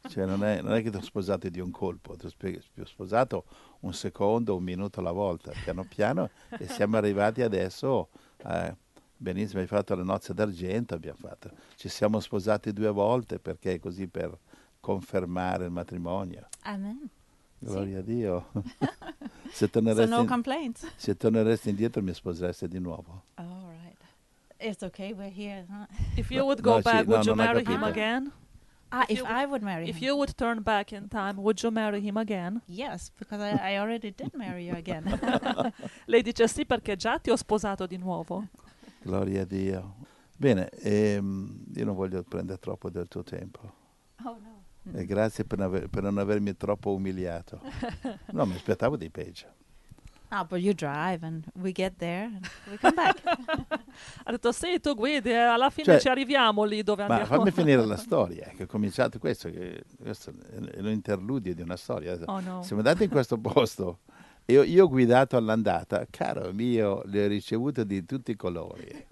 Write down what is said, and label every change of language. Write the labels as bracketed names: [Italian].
[Italian] Cioè non è che ti ho sposato di un colpo, ti ho sposato un secondo, un minuto alla volta, piano piano, e siamo arrivati adesso, benissimo, hai fatto le nozze d'argento, abbiamo fatto, ci siamo sposati due volte, perché è così, per confermare il matrimonio. Amen. Gloria sì. A Dio. Se torneresti, [English] so no complaints. [Italian] Se torneresti indietro mi sposeresti di nuovo. [English] Oh, right. It's okay, we're here. Huh? If you would go back, would you marry him again? If you would turn back in time, would you marry him again? Yes, because I already did marry you again. [Italian] Lei dice sì perché già ti ho sposato di nuovo. Gloria a Dio. Bene, io non voglio prendere troppo del tuo tempo. Oh no. E grazie per non avermi troppo umiliato. No, mi aspettavo di peggio. [English] Ah, but you drive and we get there and we come back. [Italian] Ha detto, sì, tu guidi e alla fine, cioè, ci arriviamo lì dove ma andiamo. Ma fammi finire la storia, che ho cominciato questo, che questo è un interludio di una storia. Oh no. Siamo andati in questo posto e io ho guidato all'andata, caro mio, le ho ricevute di tutti i colori.